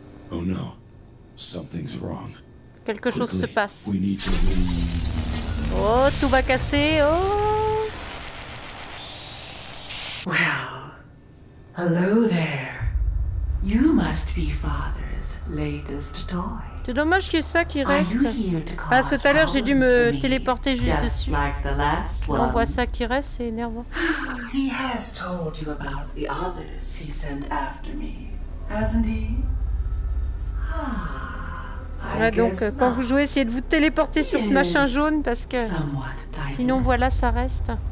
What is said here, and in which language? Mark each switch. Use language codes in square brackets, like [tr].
[fr] Oh non, [en] something's wrong. [fr] Quelque chose se passe. [en] We need to... [fr] Oh, tout va casser. Oh. [en] Well, hello there. You must be father's latest toy. [fr] C'est dommage qu'il y ait ça qui reste. Parce que tout à l'heure, j'ai dû me téléporter juste dessus. Là, on voit ça qui reste, c'est énervant. [en] He has told you about the others he sent after me, hasn't he? [fr] Ah, ouais, donc, quand vous jouez, essayez de vous téléporter sur ce machin jaune, parce que sinon, voilà, ça reste.